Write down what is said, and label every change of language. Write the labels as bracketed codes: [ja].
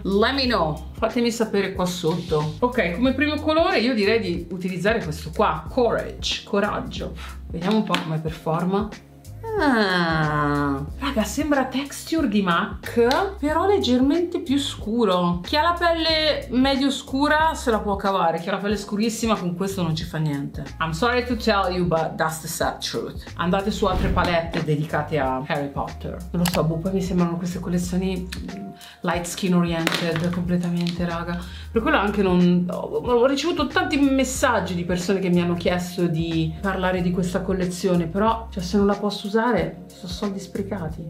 [en] Let me know, [it] fatemi sapere qua sotto. Ok, come primo colore io direi di utilizzare questo qua, Courage, coraggio. Vediamo un po' come performa. Raga, sembra texture di MAC, però leggermente più scuro. Chi ha la pelle medio scura se la può cavare, chi ha la pelle scurissima con questo non ci fa niente. [en] I'm sorry to tell you, but that's the sad truth. [it] Andate su altre palette dedicate a Harry Potter. Non lo so, poi mi sembrano queste collezioni light skin oriented completamente, raga. Per quello anche non... Ho ricevuto tanti messaggi di persone che mi hanno chiesto di parlare di questa collezione, però cioè, se non la posso usare sono soldi sprecati.